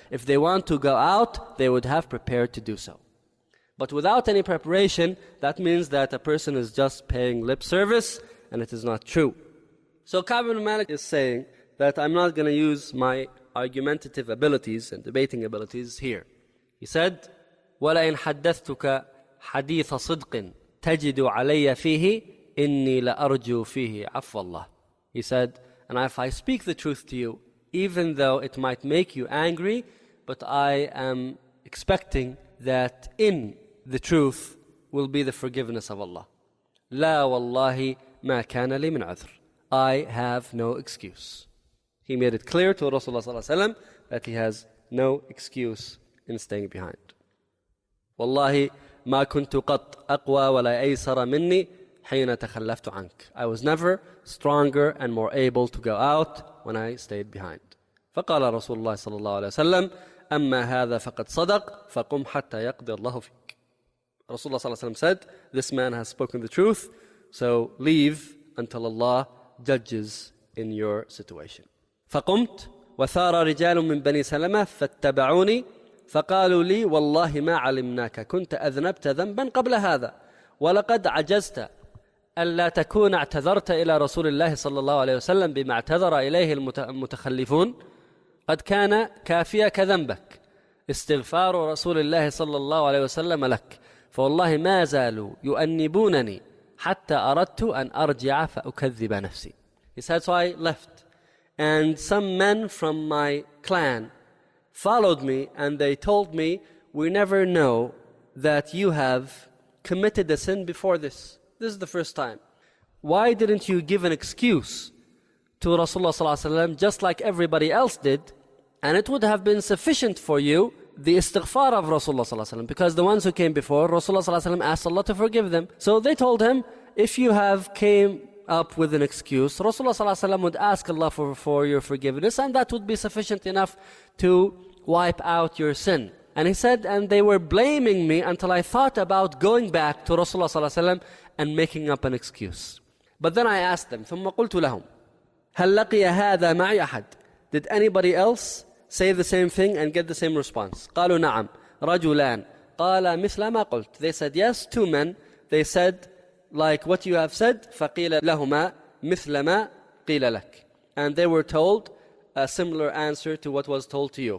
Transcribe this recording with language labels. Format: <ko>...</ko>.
<en>If they want to go out, they would have prepared to do so. But without any preparation, that means that a person is just paying lip service, and it is not true. So Ka'b ibn Malik is saying that I'm not going to use my argumentative abilities and debating abilities here. He said,</en> <ar>وَلَئِنْ حَدَّثْتُكَ حَدِيثَ صِدْقٍ تَجِدُ عَلَيَّ فِيهِ إِنِّي لَأَرْجُو فِيهِ عَفَّ اللَّهِ.</ar> <en>He said, and if I speak the truth to you, even though it might make you angry, but I am expecting that in the truth will be the forgiveness of Allah.</en> <ar>لا والله ما كان لي من عذر.</ar> <en>I have no excuse. He made it clear to Rasulullah sallallahu alaihi wasallam that he has no excuse in staying behind.</en> <ar>والله ما كنت قط أقوى ولا أيسر مني حين تخلفت عنك.</ar> <en>I was never stronger and more able to go out when I stayed behind.</en> <ar>فقال رسول الله صلى الله عليه وسلم أما هذا فقد صدق فقم حتى يقضي الله فيك. رسول الله صلى الله عليه وسلم</ar> <en>said, this man has spoken the truth, so leave until Allah judges in your situation.</en> <ar>فقمت وثار رجال من بني سلمة فاتبعوني فقالوا لي والله ما علمناك كنت أذنبت ذنبا قبل هذا ولقد عجزت ألا تكون اعتذرت إلى رسول الله صلى الله عليه وسلم بما اعتذر إليه المتخلفون قد كان كافيك ذنبك استغفار رسول الله صلى الله عليه وسلم لك فوالله ما زالوا يؤنبونني حتى أردت أن أرجع فأكذب نفسي.</ar> <en>He said, so I left, and some men from my clan followed me, and they told me, we never know that you have committed a sin before this. This is the first time. Why didn't you give an excuse to Rasulullah sallallahu alaihi wasallam just like everybody else did? And it would have been sufficient for you, the istighfar of Rasulullah sallallahu alaihi wasallam, because the ones who came before, Rasulullah sallallahu alaihi wasallam asked Allah to forgive them. So they told him, if you have came up with an excuse, Rasulullah sallallahu alaihi wasallam would ask Allah for your forgiveness, and that would be sufficient enough to wipe out your sin. And he said, and they were blaming me until I thought about going back to Rasulullah sallallahu alaihi wasallam and making up an excuse. But then I asked them,</en> <ar>ثم قلت لهم هل لقي هذا معي أحد.</ar> <en>Did anybody else say the same thing and get the same response?</en> <ar>قالوا نعم رجلان قال مثل ما قلت.</ar> <en>They said, yes, two men, they said like what you have said.</en> <ar>فقيل لهما مثل ما قيل لك.</ar> <en>And they were told a similar answer to what was told to you.</en>